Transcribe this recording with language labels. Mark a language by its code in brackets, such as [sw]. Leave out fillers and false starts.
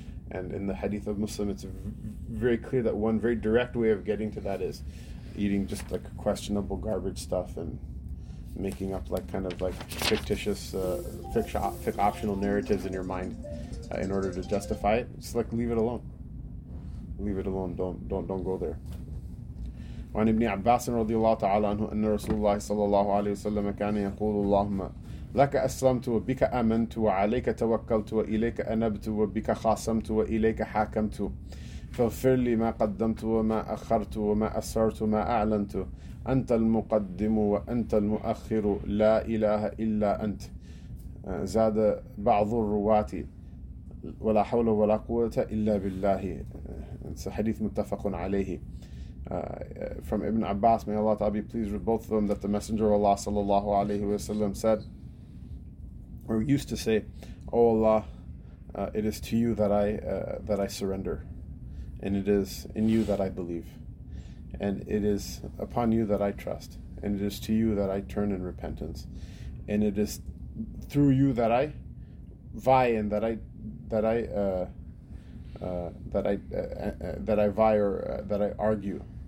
[en] And in the hadith of Muslim, it's very clear that one very direct way of getting to that is eating just like questionable garbage stuff and making up like kind of like fictitious, fictional narratives in your mind in order to justify it. Just like leave it alone. Don't go there. [ar] وعن ابن عباس رضي الله تعالى عنه أن رسول الله صلى الله عليه وسلم كان يقول اللهم لك أسلمت وبك آمنت وعليك توكلت وإليك أنبت وبك خاصمت وإليك حاكمت فاغفر لي ما قدمت وما أخرت وما أسررت وما أعلنت أنت المقدم وأنت المؤخر لا إله إلا أنت. زاد بعض الرواة ولا حول ولا قوة إلا بالله. [en] It's a hadith متفق عليه. From Ibn Abbas, may Allah Ta'ala be pleased with both of them, that the Messenger of Allah sallallahu alayhi wa sallam said, or used to say, O Allah, it is to you that I surrender, and it is in you that I believe, and it is upon you that I trust, and it is to you that I turn in repentance, and it is through you that I vie and that I argue.